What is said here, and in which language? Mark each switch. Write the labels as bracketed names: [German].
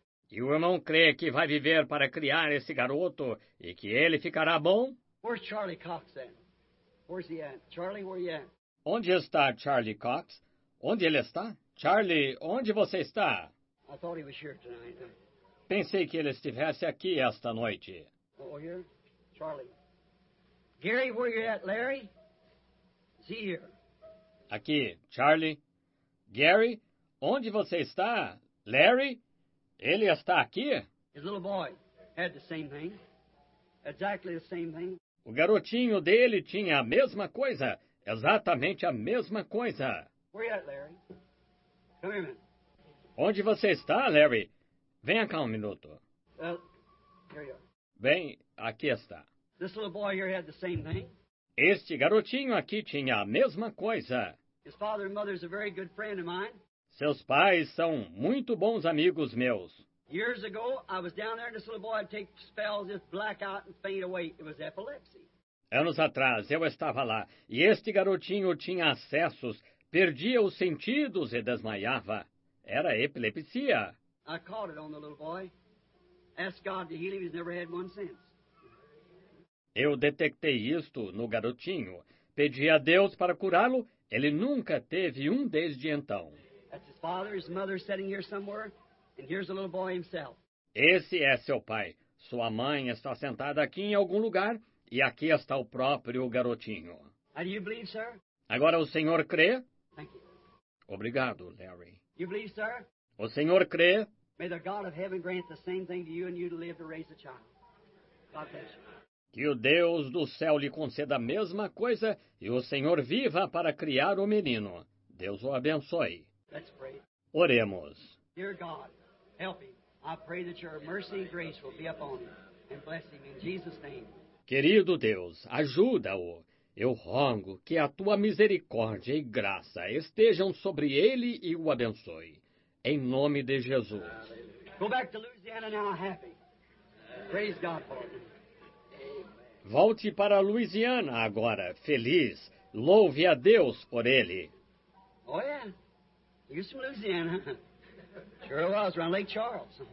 [Portuguese] E o irmão crê que vai viver para criar esse garoto e que ele ficará bom? [English] Where's Charlie Cox then? Where's he at? Charlie, where you at? [Portuguese] Onde está Charlie Cox? Onde ele está? Charlie, onde você está? [English] I thought he was here tonight. [Portuguese] Pensei que ele estivesse aqui esta noite. [English] Oh, here? Charlie. Gary, where you at, Larry? Is he here? [Portuguese] Aqui, Charlie. Gary, onde você está? Larry? Ele está aqui? [English] His little boy had the same thing. Exactly the same thing. [Portuguese] O garotinho dele tinha a mesma coisa. Exatamente a mesma coisa. [English] Where you at, Larry? Come here, man. [Portuguese] Onde você está, Larry? Venha cá um minuto. [English] Here you are. [Portuguese] Bem, aqui está. [English] This little boy here had the same thing. [Portuguese] Este garotinho aqui tinha a mesma coisa. [English] His father and mother is a very good friend of mine. [Portuguese] Seus pais são muito bons amigos meus. [English] Years ago, I was down there and this little boy would take spells, just black out and fade away. It was epilepsy. [Portuguese] Anos atrás, eu estava lá e este garotinho tinha acessos, perdia os sentidos e desmaiava. Era epilepsia. [English] I caught it on the little boy. Asked God to heal him. He's never had one since. [Portuguese] Eu detectei isto no garotinho. Pedi a Deus para curá-lo. Ele nunca teve um desde então. [English] That's his father, his mother sitting here somewhere. And here's the little boy himself. [Portuguese] Esse é seu pai. Sua mãe está sentada aqui em algum lugar e aqui está o próprio garotinho. [English] How do you believe, sir? [Portuguese] Agora o senhor crê? [English] Thank you. [Portuguese] Obrigado, Larry. [English] You believe, sir? [Portuguese] O senhor crê? [English] May the God of heaven grant the same thing to you and you to live to raise a child. God bless you. [Portuguese] Que o Deus do céu lhe conceda a mesma coisa e o senhor viva para criar o menino. Deus o abençoe. [English] Let's pray. [Portuguese] Oremos. [English] Dear God, help him. I pray that your mercy and grace will be upon him and bless him in Jesus' name. [Portuguese] Querido Deus, ajuda-o. Eu rogo que a tua misericórdia e graça estejam sobre ele e o abençoe. Em nome de Jesus. [English] Go back to Louisiana now happy. Praise God for him. [Portuguese] Volte para Louisiana agora, feliz. Louve a Deus por ele. [English] Oh, yeah. You're from Louisiana. Sure was, around Lake Charles.